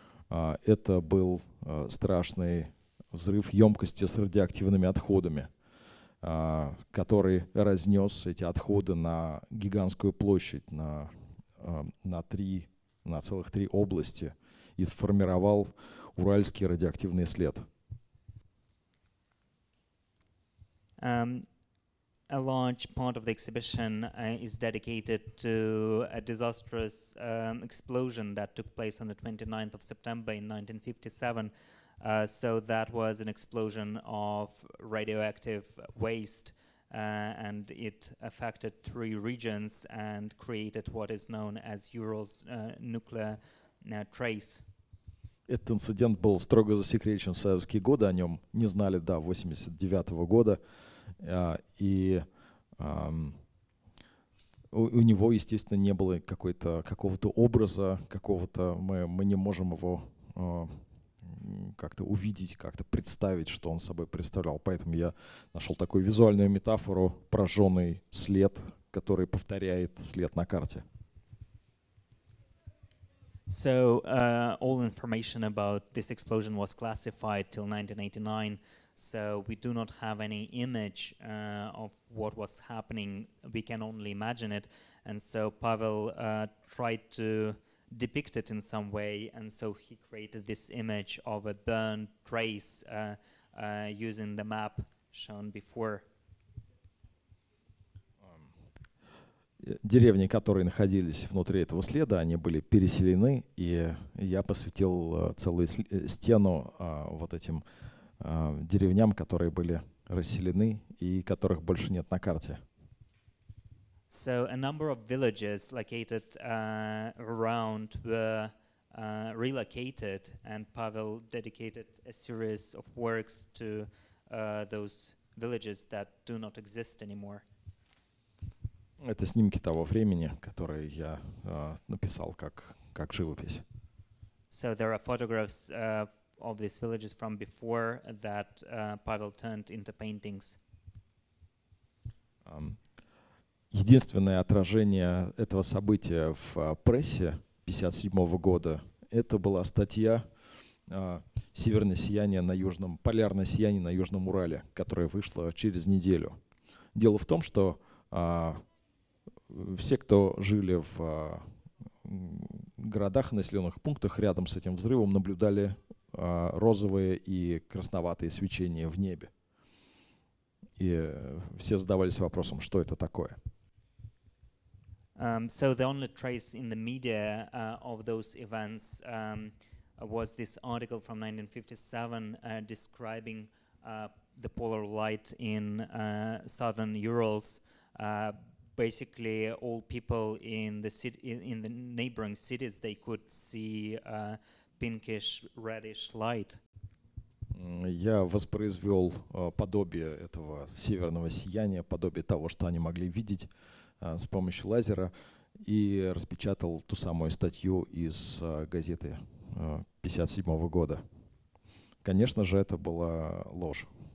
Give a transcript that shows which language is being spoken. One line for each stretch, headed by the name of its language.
Russian: Это был страшный взрыв емкости с радиоактивными отходами, который разнес эти отходы на гигантскую площадь, на целых 3 области, и сформировал уральский радиоактивный след.
English: A large part of the exhibition is dedicated to a disastrous explosion that took place on the 29th of September in 1957. So that was an explosion of radioactive waste, and it affected 3 regions and created what is known as Ural's nuclear trace.
Russian: Этот инцидент был строго засекречен в советские годы, о нем не знали до 89 года. И у него, естественно, не было какого-то образа, мы не можем его как-то увидеть, как-то представить, что он собой представлял. Поэтому я нашел такую визуальную метафору, прожженный след, который повторяет след на карте.
English: So all information about this explosion was classified till 1989. So we do not have any image of what was happening. We can only imagine it. And so Pavel tried to depict it in some way. And so he created this image of a burned trace using the map shown before.
Russian: Деревни, которые находились внутри этого следа, они были переселены. И я посвятил целую стену вот этим деревням, которые были расселены и которых больше нет на карте.
English: So a number of villages located around were relocated, and Pavel dedicated a series of works to those villages that do not exist anymore.
Russian: Это снимки того времени, которые я написал как живопись.
English: So there are photographs of these villages from before that Pavel turned into paintings.
Russian: Единственное отражение этого события в прессе 1957 года — это была статья северное сияние на южном, полярное сияние на Южном Урале, которое вышло через неделю. Дело в том, что все, кто жили в городах, населенных пунктах рядом с этим взрывом, наблюдали розовые и красноватые свечения в небе. И все задавались вопросом, что это такое.
English: So the only trace in the media of those events was this article from 1957 describing the polar light in southern Urals. Basically, all people in the city, in the neighboring cities, they could see pinkish, reddish light.
Russian: Я воспроизвел подобие этого северного сияния, подобие того, что они могли видеть с помощью лазера, и распечатал ту самую статью из газеты 57 года. Конечно же, это была ложь.